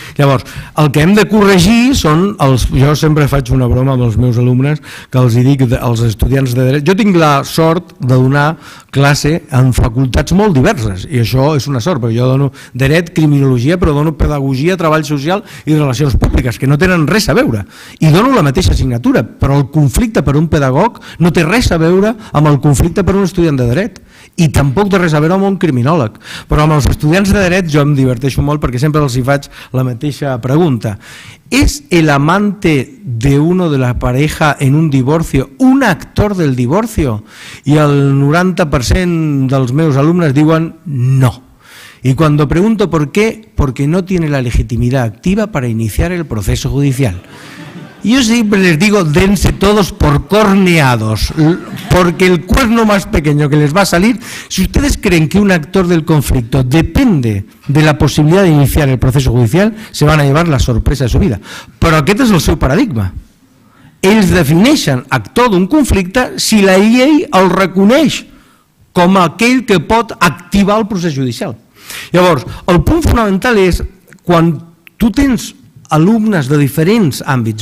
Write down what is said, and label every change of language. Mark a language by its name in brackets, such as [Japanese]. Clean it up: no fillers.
[Catalan] Llavors, el que hem de corregir són els... Jo sempre faig una broma amb els meus alumnes, que els dic als estudiants de dret. Jo tinc la sort de donar classe en facultats molt diverses, i això és una sort, perquè jo dono dret, criminologia, però dono pedagogia, treball social i relacions públiques, que no tenen res a veure. I dono la mateixa assignatura, però el conflicte per un pedagog no té res a veure amb el conflicte per un estudiant de dret. I tampoc de res a veure amb un criminòleg. Però amb els estudiants de dret jo em diverteixo molt perquè sempre els hi faig la mateixa pregunta. [Spanish] ¿Es el amante de uno de la pareja en un divorcio un actor del divorcio? [Catalan] I el 90% dels meus alumnes diuen no. [Spanish] Y cuando pregunto por qué, porque no tiene la legitimidad activa para iniciar el proceso judicial. Yo siempre les digo, dense todos por corneados, porque el cuerno más pequeño que les va a salir, si ustedes creen que un actor del conflicto depende de la posibilidad de iniciar el proceso judicial, se van a llevar la sorpresa de su vida. [Catalan] Però aquest és el seu paradigma. Ells defineixen actor d'un conflicte si la llei el reconeix com aquell que pot activar el procés judicial. Llavors, el punt fonamental és quan tu tens alumnes de diferents àmbits.